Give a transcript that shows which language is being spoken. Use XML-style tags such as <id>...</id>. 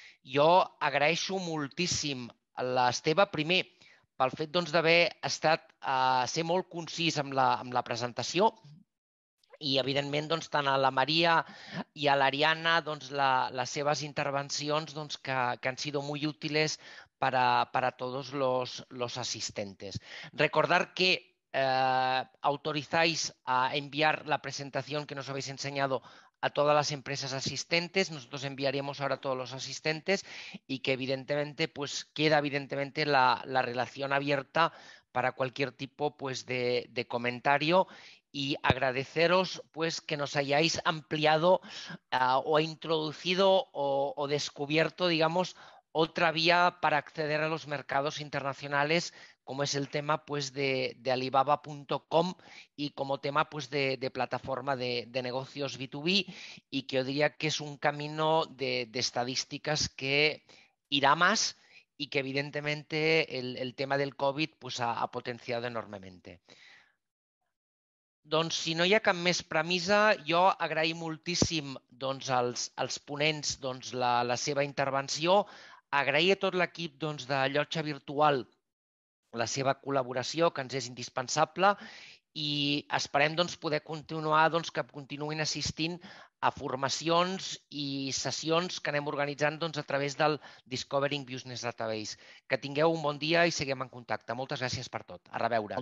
<ca>Jo agraeixo moltíssim l'Esteve, primer, pel fet doncs, d'haver estat ser molt concís amb la presentació, i evidentment doncs, tant a la Maria i a l'Ariana doncs, les seves intervencions doncs,</ca> <es>que han sido muy útiles para todos los asistentes. Recordar que autorizáis a enviar la presentación que nos habéis enseñado a todas las empresas asistentes. Nosotros enviaremos ahora a todos los asistentes y que evidentemente pues queda evidentemente la relación abierta para cualquier tipo pues de comentario, y agradeceros pues que nos hayáis ampliado o introducido o descubierto, digamos, otra vía para acceder a los mercados internacionales, como es el tema pues de Alibaba.com y como tema pues de plataforma de negocios B2B, y que yo diría que es un camino de estadísticas que irá más y que evidentemente el tema del COVID pues ha potenciado enormemente.</es> <ca>Doncs, si no hi ha cap més premissa, jo agraï moltíssim doncs, als ponents doncs, la seva intervenció. Agrair a tot l'equip doncs, de Llotja Virtual la seva col·laboració, que ens és indispensable, i esperem doncs, poder continuar, doncs, que continuïn assistint a formacions i sessions que anem organitzant doncs, a través del Discovering Business Database. Que tingueu un bon dia i seguem en contacte. Moltes gràcies per tot. A reveure.</ca>